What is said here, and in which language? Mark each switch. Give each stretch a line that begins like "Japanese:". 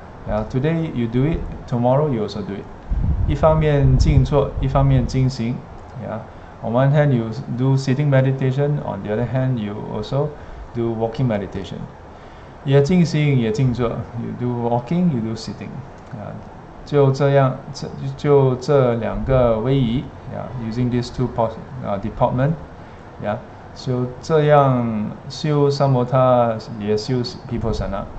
English: Yeah, today you do it, tomorrow you also do it.
Chinese: 一方面静坐，一方面静行。
English: Yeah, on one hand you do sitting meditation, on the other hand you also do walking meditation. 也静行，也静坐。 You do walking, you do sitting.
Chinese: Yeah, 就这样，就这两个位移。
English: Yeah, using these two department. Yeah, so 这样修三摩他，也修vipassana。